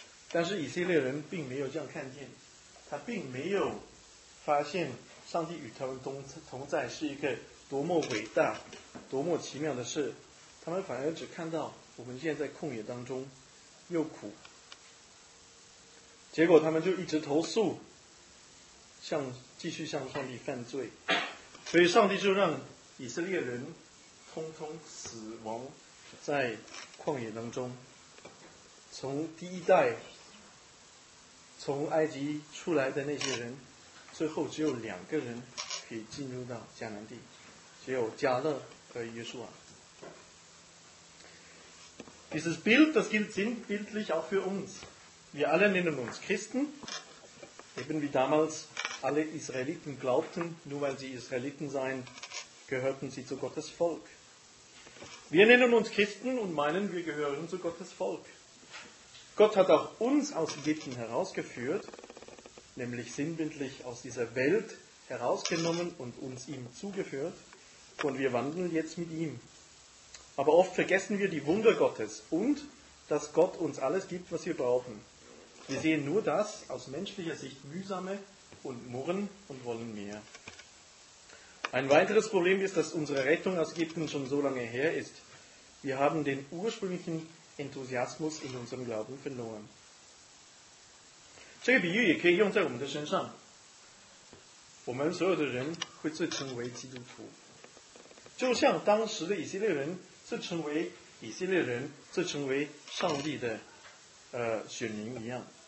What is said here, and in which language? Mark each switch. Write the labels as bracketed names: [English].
[Chinese] 但是以色列人并没有这样看见，他并没有发现上帝与他们同在是一个多么伟大多么奇妙的事，他们反而只看到我们现在在旷野当中又苦，结果他们就一直投诉，继续向上帝犯罪，所以上帝就让以色列人通通死亡在旷野当中。从第一代从埃及出来的那些人，最后只有两个人可以进入到迦南地，只有迦勒和约书亚。 [German] Dieses Bild, das gilt sinnbildlich auch für uns. Wir alle nennen uns Christen, eben wie damals alle Israeliten glaubten, nur weil sie Israeliten seien, gehörten sie zu Gottes Volk. Wir nennen uns Christen und meinen, wir gehören zu Gottes Volk. Gott hat auch uns aus Ägypten herausgeführt, nämlich sinnbildlich aus dieser Welt herausgenommen und uns ihm zugeführt, und wir wandeln jetzt mit ihm. Aber oft vergessen wir die Wunder Gottes und dass Gott uns alles gibt, was wir brauchen. Wir sehen nur das aus menschlicher Sicht Mühsame und murren und wollen mehr. Ein weiteres Problem ist, dass unsere Rettung aus Ägypten schon so lange her ist. Wir haben den ursprünglichen Enthusiasmus in unserem Glauben verloren. [Chinese] 这个比喻也可以用在我们的身上。我们所有的人会自称为基督徒，就像当时的以色列人自称为以色列人，自称为上帝的选民一样。